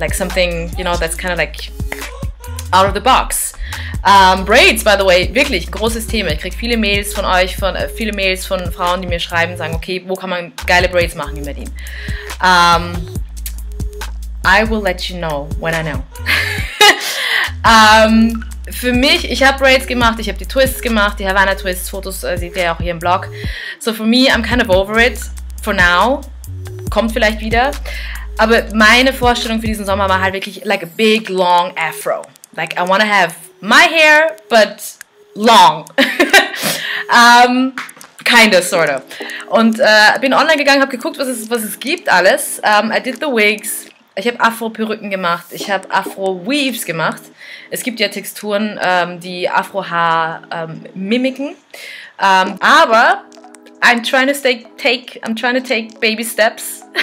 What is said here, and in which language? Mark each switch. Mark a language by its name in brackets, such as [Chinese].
[English] Like something, you know, that's kind of like out of the box. Braids, by the way, [German] wirklich großes Thema. Ich krieg viele Mails von euch, viele Mails von Frauen, die mir schreiben, sagen, okay, wo kann man geile Braids machen in Berlin? [English] I will let you know when I know. [German] für mich, ich habe Braids gemacht, ich habe die Twists gemacht, die Havana Twists, Fotos seht ihr auch hier im Blog. [English] So for me, I'm kind of over it, for now, [German] kommt vielleicht wieder. Aber meine Vorstellung für diesen Sommer war halt wirklich [English] like a big long afro. Like I wanna have my hair, but long. kinda, sorta. [German] Und bin online gegangen, habe geguckt, was es gibt alles. [English] I did the wigs. [German] Ich habe Afro-Perücken gemacht, ich habe Afro-Weaves gemacht. Es gibt ja Texturen, die Afro-Haar mimiken. Aber [English] I'm trying to take baby steps.